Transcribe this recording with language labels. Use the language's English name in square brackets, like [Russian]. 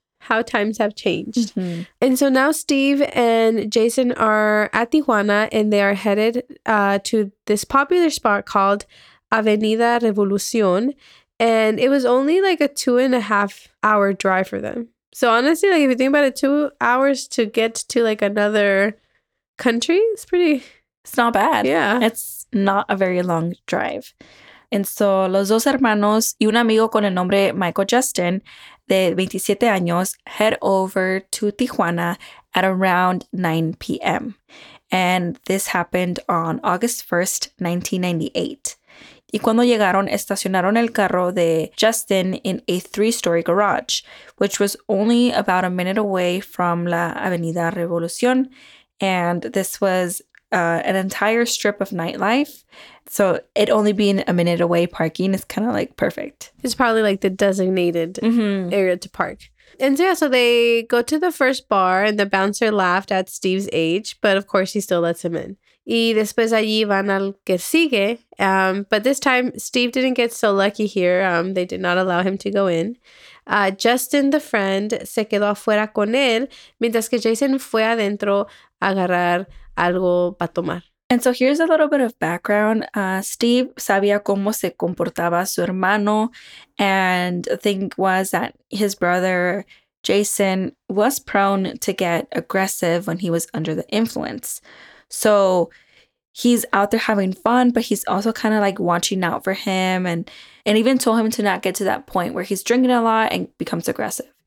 [English] How times have changed. Mm-hmm. And so now Steve and Jason are at Tijuana and they are headed to this popular spot called Avenida Revolucion. And it was only like a 2.5 hour drive for them. So honestly, like, if you think about it, 2 hours to get to like another country, it's pretty... It's not bad. Yeah. It's not a very long drive. [Spanish] And so, los dos hermanos y un amigo con el nombre Michael Justin, de 27 años, [English] head over to Tijuana at around 9 p.m. And this happened on August 1st, 1998. [Spanish] Y cuando llegaron, estacionaron el carro de Justin [English] in a 3-story garage, which was only about a minute away from la Avenida Revolución. And this was an entire strip of nightlife. So it only being a minute away parking is kind of like perfect. It's probably like the designated mm-hmm. area to park. And so, yeah, so they go to the first bar and the bouncer laughed at Steve's age, but of course he still lets him in. [Spanish] Y después allí van al que sigue. [English] But this time Steve didn't get so lucky here. They did not allow him to go in. [Spanish] Justin, [English] the friend, [Spanish] se quedó afuera con él, mientras que Jason fue adentro a agarrar algo para tomar. [English] And so here's a little bit of background. [Spanish] Steve sabía cómo se comportaba su hermano. [English] And the thing was that his brother, Jason, was prone to get aggressive when he was under the influence. So he's out there having fun, but he's also kind of like watching out for him and even told him to not get to that point where he's drinking a lot and becomes aggressive.